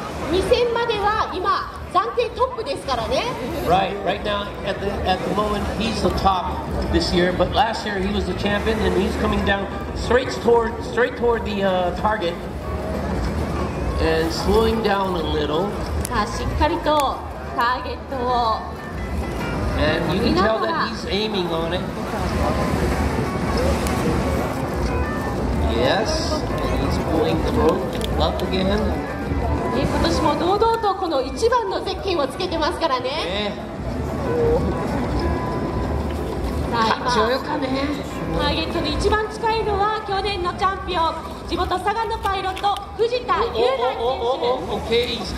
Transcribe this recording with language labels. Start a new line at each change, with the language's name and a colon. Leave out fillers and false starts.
Japanese: 2000までは今暫定トップですからね。
English: Right now at the moment he's the top this year, but last year he was the champion and he's coming down straight toward the target and slowing down a little.
Japanese: さあ、しっかりとターゲットを、
English: and you can tell that he's aiming on it. Yes, and he's pulling the rope up again.
Japanese: 今年も堂々とこの一番のゼッケンをつけてますからね。さあ、今強いかね。ターゲットに一番近いのは去年のチャンピオン、地元佐賀のパイロット藤田雄大選手です。